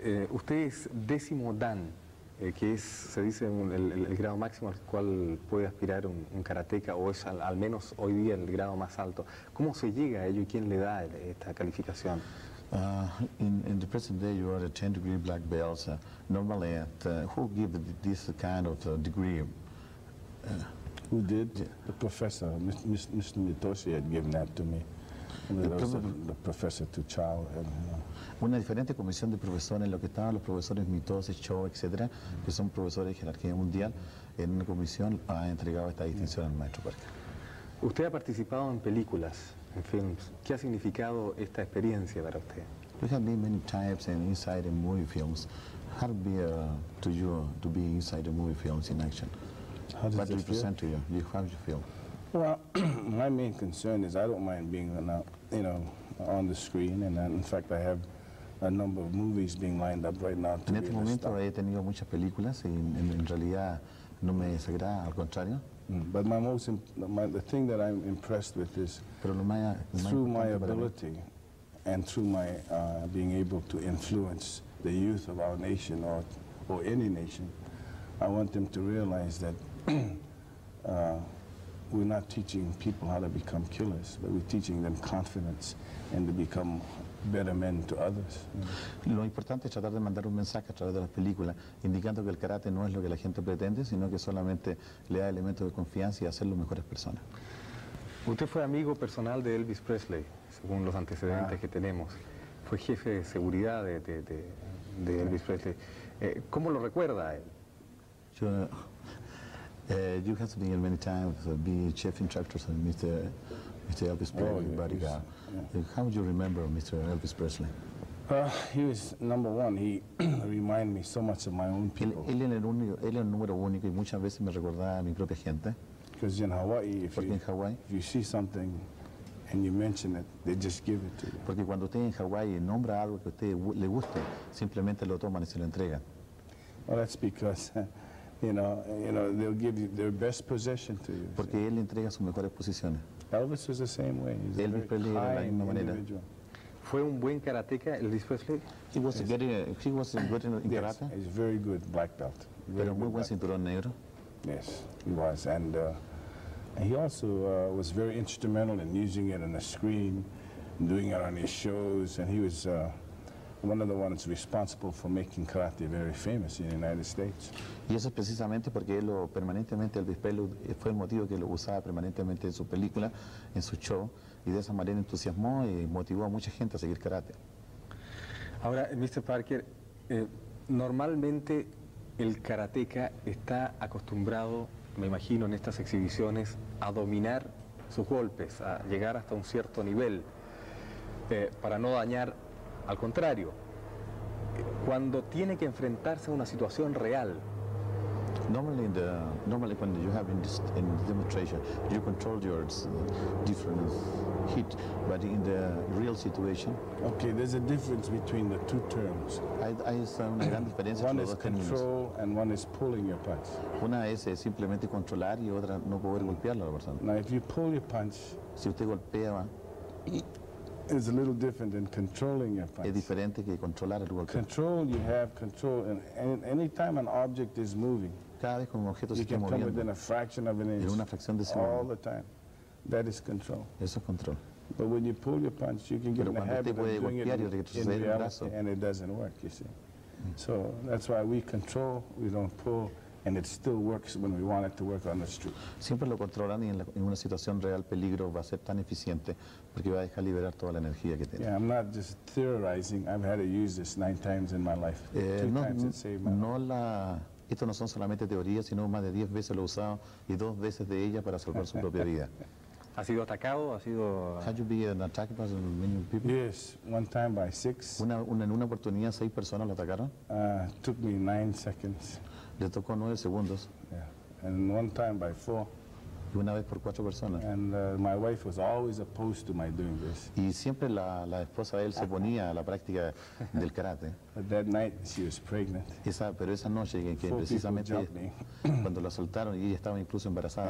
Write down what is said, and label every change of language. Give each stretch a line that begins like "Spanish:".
Spanish: Usted es décimo dan, que es, se dice, el grado máximo al cual puede aspirar un karateka, o es al menos hoy día el grado más alto. ¿Cómo se llega a ello y quién le da esta calificación?
English: In the present day, you are a 10 degree black belt. Normally, who gives this kind of degree? Who did? Yeah. The professor, Mr. Mitoshi had given that to me. The professor to Chow.
Spanish: Una diferente comisión de profesores en lo que estaban los profesores Mitoshi, Chow, etcétera, que son profesores de jerarquía mundial, en una comisión ha entregado esta distinción al maestro Parker. Usted ha participado en películas, en films. ¿Qué ha significado esta experiencia para usted?
English: We have been many times and inside in movie films. How be to you to be inside the movie films in action? How does what do you present to you? You how do you feel? Well, my main concern is I don't mind being on the screen, and in fact I have a number of movies being lined up right now.
Spanish: En este momento he tenido muchas películas y en realidad no me desagrada, al contrario.
English: But my most the thing that I'm impressed with is through my ability and through my being able to influence the youth of our nation or any nation, I want them to realize that we're not teaching people how to become killers, but we're teaching them confidence and to become better men to others.
Spanish: Lo importante es tratar de mandar un mensaje a través de las películas, indicando que el karate no es lo que la gente pretende, sino que solamente le da elementos de confianza y hacerlo mejores personas. Usted fue amigo personal de Elvis Presley, según los antecedentes que tenemos. Fue jefe de seguridad de Elvis Presley. ¿Cómo lo recuerda él?
English: You have been many times being chief instructors of Mr. Elvis Presley, bodyguard. Yeah. How do you remember Mr. Elvis Presley? He was number one. He reminded me so much of my own people.
Spanish: Él era el número único y muchas veces me recordaba a mi propia gente.
English: Because in Hawaii, if you see something and you mention it, they just give it to you.
Spanish: Porque cuando usted en Hawaii nombra algo que a usted le guste, simplemente lo toman y se lo entregan.
English: Well, that's because they'll give you their best possession to you.
Spanish: Porque él le entrega sus mejores posiciones.
English: Elvis was the same way.
Spanish: Elvis Presley era la misma manera. Fue un buen karateka, Elvis Presley.
English: He was good in karate. He's very good black belt.
Spanish: Pero muy buen cinturón negro.
English: Yes, he was, and he also was very instrumental in using it on the screen, doing it on his shows, and he was one of the ones responsible for making karate very famous in the United States.
Spanish: Y eso es precisamente porque él lo permanentemente, Elvis Presley, fue el motivo que lo usaba permanentemente en su película, en su show, y de esa manera entusiasmó y motivó a mucha gente a seguir karate. Ahora, Mr. Parker, normalmente el karateka está acostumbrado, me imagino, en estas exhibiciones a dominar sus golpes, a llegar hasta un cierto nivel, para no dañar al contrario. Cuando tiene que enfrentarse a una situación real.
English: Normally when you have in the demonstration, you control your different hit, but in the real situation. Okay, there's a difference between the two terms. One is control and one is pulling your punch.
Spanish: Una es simplemente controlar y otra no poder golpearlo a la persona.
English: Now if you pull your punch,
Spanish: si usted golpea,
English: is a little different than controlling your punch.
Spanish: Es diferente que controlar el golpe.
English: Control, you have control, and any time an object is moving.
Spanish: Cada vez que un objeto se está moviendo.
English: You can come within a fraction of an inch.
Spanish: En una fracción de segundo.
English: All the time, that is control.
Spanish: Eso es control.
English: But when you pull your punch, you can get in the habit of doing it in reality, and it doesn't work. You see, so that's why we control. We don't pull. And it still works when we want it to work on the street.
Spanish: Siempre lo controlan y en una situación real peligro va a ser tan eficiente porque va a dejar liberar toda la energía que tiene.
English: Yeah, I'm not just theorizing. I've had to use this 9 times in my life. Two times it saved my life.
Spanish: Esto no son solamente teorías, sino más de 10 veces lo he usado y 2 veces de ella para salvar su propia vida. ¿Ha sido atacado? ¿Ha sido?
English: Had you been attacked by many people? Yes, one time by 6.
Spanish: En una oportunidad 6 personas lo atacaron.
English: Took me 9 seconds.
Spanish: Le tocó 9 segundos.
English: Yeah. And one time by 4.
Spanish: Y una vez por 4 personas.
English: And my wife was always opposed to my doing this.
Spanish: Y siempre la esposa de él se oponía a la práctica del karate.
English: But that night she was pregnant.
Spanish: Pero esa noche que precisamente cuando la soltaron y ella estaba incluso embarazada.